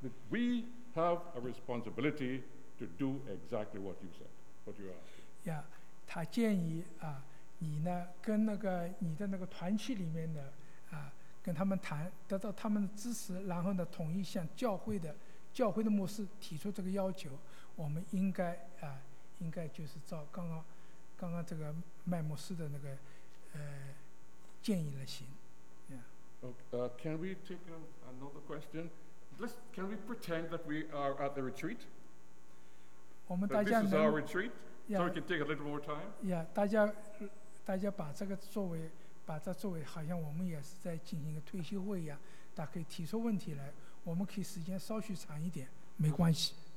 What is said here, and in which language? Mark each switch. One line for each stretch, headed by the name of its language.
English: We have a responsibility to do exactly what you said, what you asked.
Chinese: Yeah, 他建议啊，你呢跟那个你的那个团契里面的啊，跟他们谈，得到他们的支持，然后呢，统一向教会的牧师提出这个要求，我们应该啊，应该就是照刚刚这个麦牧师的那个建议来行。
English: Okay, can we take another question? Can we pretend that we are at the retreat? This is our retreat, yeah, so we can take a little more time.
Chinese: Yeah, 大家把这个作为，把这作为好像我们也是在进行一个退休会一样，大家可以提出问题来，我们可以时间稍许长一点，没关系。